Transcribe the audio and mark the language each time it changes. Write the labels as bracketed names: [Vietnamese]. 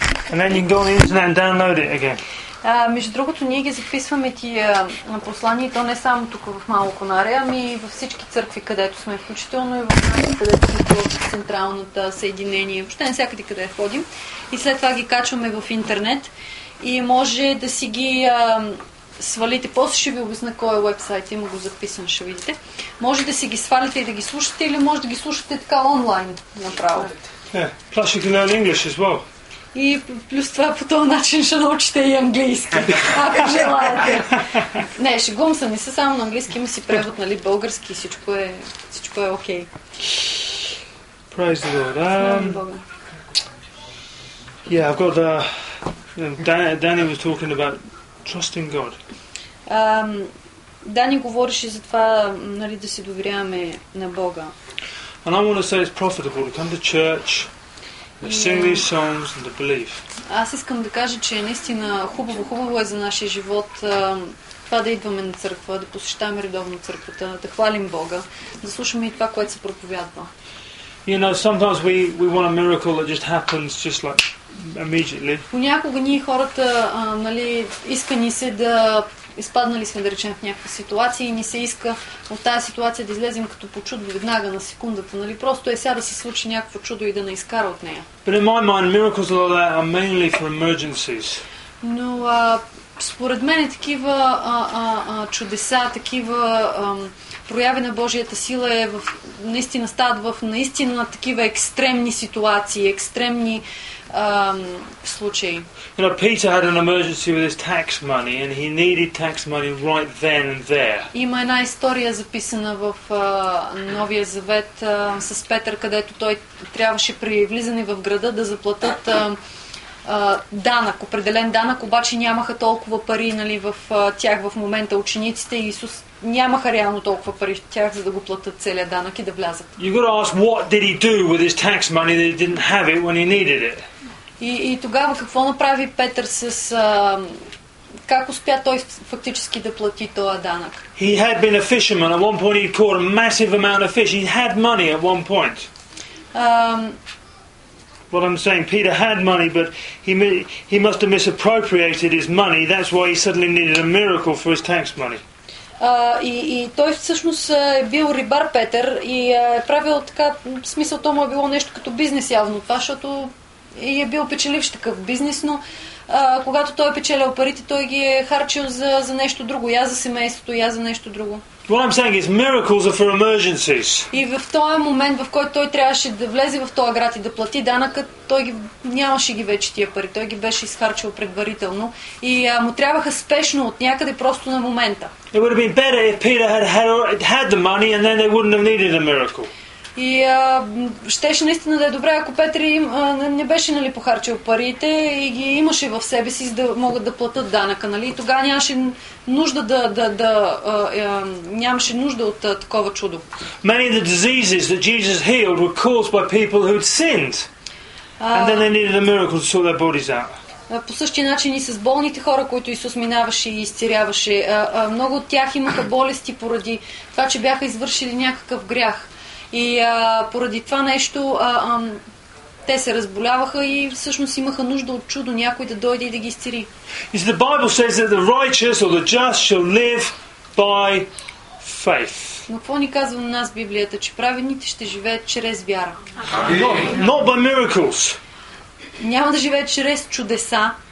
[English] And then you can go on the internet and download it again. [Bulgarian] Между другото, ние ги записваме ти на послания, и то не само тук в Мало Конаре, ами и във всички църкви, където сме, включително и в нашата, където сме в централната съединение. Въобще не всякъде къде ходим. И след това ги качваме в интернет. И може да си ги свалите. После ще ви обясня кой е уебсайт, има го записано, ще видите. Може да си ги свалите и да ги слушате, или може да ги слушате така онлайн направо. [English] Plus you can learn English as well. [Bulgarian] И плюс това по този начин ще научите и английски, ако желаете. Не, шегувам се, не са само на английски, има си превод, нали, български, всичко е окей. [English] Okay. Praise the Lord. Yeah, I've got the... Danny was talking about trusting God. [Bulgarian] Дани говореше за това, нали, да се доверяваме на Бога. [English] And I want to say it's profitable to come to church, sing these songs and to believe. [Bulgarian] Аз искам да кажа, че наистина хубаво е за нашия живот това да идваме на църква, да посещаваме редовно църквата, да хвалим Бога, да слушаме и това, което се проповядва. [English] You know, sometimes we want a miracle that just happens just like immediately. [Bulgarian] Понякога ние хората, нали, иска ни се да изпаднали сме, да речем, в някаква ситуация и ни се иска от тази ситуация да излезем като по чудо веднага на секундата, нали? Просто е сега да се случи някакво чудо и да не изкара от нея. [English] But in my mind, miracles like that are mainly for emergencies. [Bulgarian] Но според мен е такива чудеса, такива прояви на Божията сила е наистина такива екстремни ситуации, екстремни случаи. [English] You know, Peter had an emergency with his tax money and he needed tax money right then and there. [Bulgarian] Има една история записана в Новия Завет с Петър, където той трябваше при влизане в града да заплатят данък, определен данък, обаче нямаха толкова пари, нали, в тях в момента, учениците, Исус нямаха реално толкова пари в тях, за да го платят целия данък и да влязат. [English] You got to ask, what did he do with his tax money that he didn't have it when he needed it? [Bulgarian] И тогава какво направи Петър с... как успя той фактически да плати този данък? [English] He had been a fisherman. At one point he caught a massive amount of fish. He had money at one point. What I'm saying, Peter had money, but he must have misappropriated his money. That's why he suddenly needed a miracle for his tax money. [Bulgarian] И той всъщност е бил рибар, Петър, и е правил така, в смисъл, то му е било нещо като бизнес явно това, защото и е бил печеливш такъв бизнес, но когато той е печелял парите, той ги е харчил за нещо друго, я за семейството, я за нещо друго. [English] What I'm saying is miracles are for emergencies. [Bulgarian] И в този момент, в който той трябваше да влезе в този град и да плати данъка, той нямаше ги вече тия пари, той ги беше изхарчил предварително и му трябваха спешно от някъде, просто на момента. [English] It would have been better if Peter had the money and then they wouldn't have needed a miracle. [Bulgarian] И щеше наистина да е добре, ако Петър не беше, нали, похарчил парите и ги имаше в себе си, за да могат да платят данъка, нали? Тогава нямаше нужда нямаше нужда от такова чудо. [English] Many of the diseases that Jesus healed were caused by people who had sinned. And then they needed a miracle to sort their bodies out. [Bulgarian] По същия начин и с болните хора, които Исус минаваше и изцеряваше, много от тях имаха болести поради това, че бяха извършили някакъв грях. И поради това нещо те се разболяваха и всъщност имаха нужда от чудо, някой да дойде и да ги изцери. [English] Is the Bible says that the righteous or the just shall live by faith. [Bulgarian] Но какво ни казва на нас Библията, че праведните ще живеят чрез вяра. [English] Not by miracles. [Bulgarian] Няма да живеят чрез чудеса.